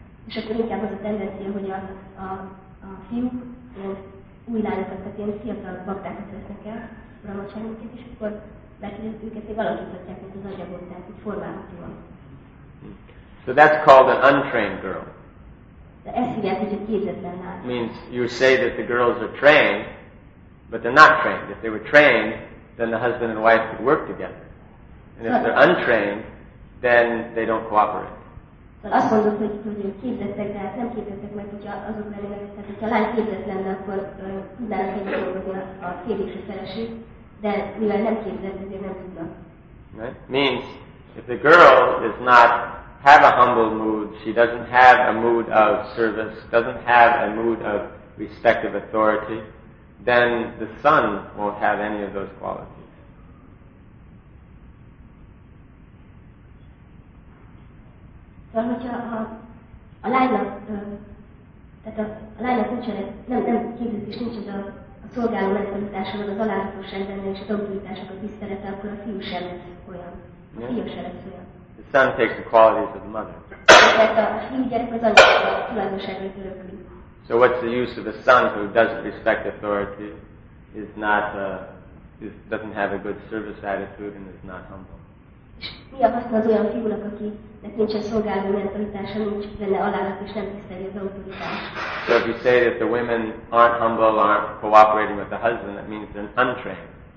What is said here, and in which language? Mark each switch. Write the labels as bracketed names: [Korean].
[Hungarian] És akkor inkább az a tendencia, hogy a fiúk új lányokat, tehát ilyen fiatal baktákat vesznek el, bramacsánikat is, akkor mert őket még alakítatják az agyagot, tehát így formálhatóan. [English] So that's called an untrained girl. [Hungarian] De ez igaz, hogy a képzetlen lány. [English] Means you say that the girls are trained, but they're not trained. If they were trained, then the husband and wife could work together. And if they're untrained, then they don't cooperate. [Hungarian] Azt mondod, hogy képzettek, de nem képzettek meg, hogyha azok lennének, tehát hogyha a lány képzett lenne, akkor tudnának együtt dolgozni a férj és a feleség, de mivel nem képzett, ezért nem tudna. [English] Right? Means, if the girl does not have a humble mood, she doesn't have a mood of service, doesn't have a mood of respective authority, then the son won't have any of those qualities. [Hungarian] Van, hogyha a lánynak, tehát a lánynak nincsen, nem képzett és nincs a szolgáló mentalitása, az alázatosság benne és az autoritásnak a tisztelete, akkor a fiú sem lesz olyan. A fiú sem lesz olyan. [English] The son takes the qualities of the mother. [Hungarian] Tehát a fiú gyerek az anyának a tulajdonságait örökli. [English] So what's the use of a son who doesn't respect authority, is not, doesn't have a good service attitude and is not humble? [Hungarian] És mi a haszna az olyan fiúnak, akinek nincsen szolgáló mentalitása, nincs benne alázat és nem tiszteli az autoritást. [English] So if you say that the women aren't humble, aren't cooperating with the husband, that means they're untrained.